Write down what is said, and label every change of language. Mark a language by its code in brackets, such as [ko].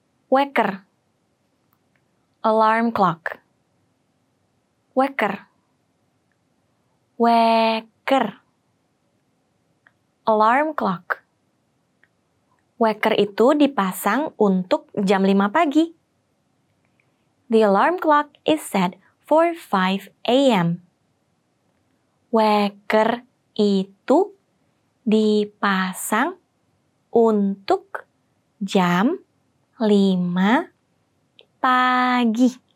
[id] Waker, [en] alarm clock. [id] Waker, waker, [en] alarm clock. [id] Waker itu dipasang untuk jam 5 pagi. [en] The alarm clock is set for 5 a.m. [id] Waker itu dipasang untuk jam 5 pagi.